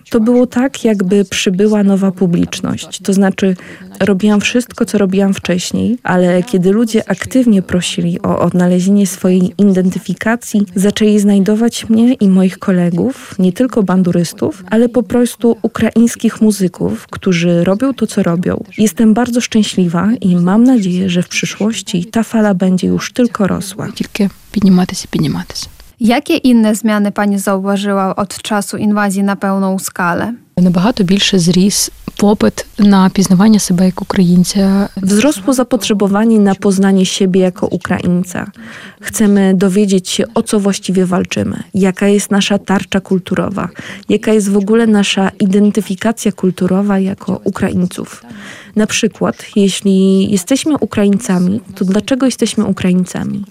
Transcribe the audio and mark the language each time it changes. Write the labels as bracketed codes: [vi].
[pl] To było tak, jakby przybyła nowa publiczność. To znaczy, robiłam wszystko, co robiłam wcześniej, ale kiedy ludzie aktywnie prosili o odnalezienie swojej identyfikacji, zaczęli znajdować mnie i moich kolegów, nie tylko banduristów, ale po prostu ukraińskich muzyków, którzy robią to, co robią. Jestem bardzo szczęśliwa i mam nadzieję, że w przyszłości ta fala będzie już tylko rosła. Tylko podniemać się. Jakie inne zmiany pani zauważyła od czasu inwazji na pełną skalę? [uk] Набагато більше зріс попит на пізнавання себе як українця. [pl] Wzrosło zapotrzebowanie na poznanie siebie jako Ukraińca. Chcemy dowiedzieć się, o co właściwie walczymy, jaka jest nasza tarcza kulturowa, jaka jest w ogóle nasza identyfikacja kulturowa jako Ukraińców. Na przykład, jeśli jesteśmy Ukraińcami, to dlaczego jesteśmy Ukraińcami?